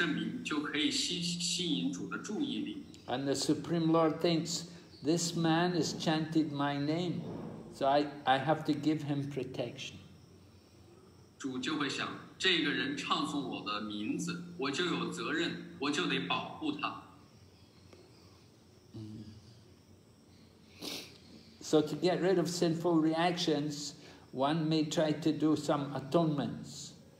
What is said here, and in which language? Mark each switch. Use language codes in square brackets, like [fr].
[zh] 因为我们唱诵的主的圣名就可以吸引主的注意力。 [en] And the Supreme Lord thinks, this man has chanted my name, so I have to give him protection. [zh] 主就会想, 这个人唱诵我的名字, 我就有责任, 我就得保护他。 [en] So to get rid of sinful reactions, one may try to do some atonements.